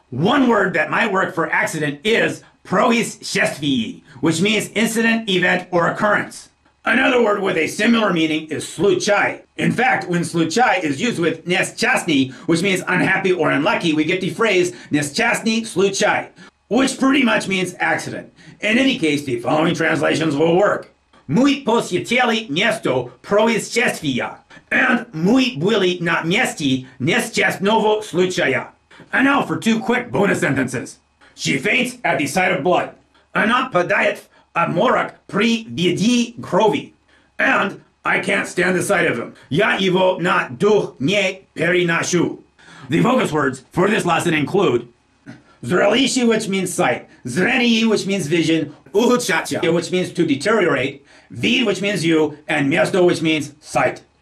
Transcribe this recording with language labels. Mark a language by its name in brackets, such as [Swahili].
[English] One word that might work for accident is происшествие, which means incident, event, or occurrence. Another word with a similar meaning is случай. In fact, when случай is used with несчастный, which means unhappy or unlucky, we get the phrase несчастный случай, which pretty much means accident. In any case, the following translations will work. [Russian] Мы посетили место происшествия, and мы были на месте несчастного случая. [English] And now for two quick bonus sentences. She faints at the sight of blood. [Russian] Она падает в обморок при виде крови. [English] And I can't stand the sight of him. [Russian] Я его на дух не переношу. [English] The focus words for this lesson include зрелище, which means sight, зрение, which means vision, ухудшаться, which means to deteriorate, вид, which means you, and место, which means sight.